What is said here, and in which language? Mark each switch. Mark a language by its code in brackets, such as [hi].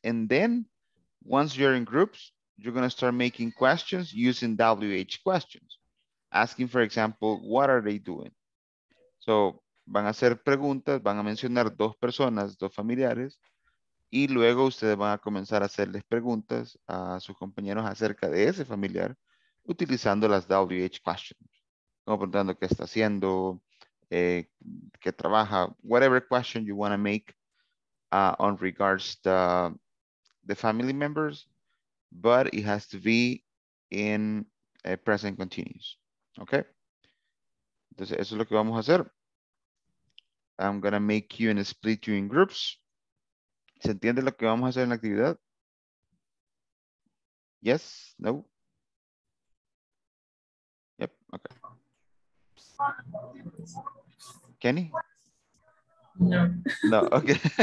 [en] And then once you're in groups, you're going to start making questions using WH questions. Asking, for example, what are they doing? [es] So, van a hacer preguntas, van a mencionar dos personas, dos familiares, y luego ustedes van a comenzar a hacerles preguntas a sus compañeros acerca de ese familiar utilizando las WH questions. Como preguntando qué está haciendo, qué trabaja, [en] whatever question you want to make on regards to the family members, but it has to be in a present continuous, okay? [es] Entonces, eso es lo que vamos a hacer. [en] I'm going to make you and split you in groups. [es] ¿Se entiende lo que vamos a hacer en la actividad? [en] Yes? No? Yep. Okay. Kenny? No. No. Okay.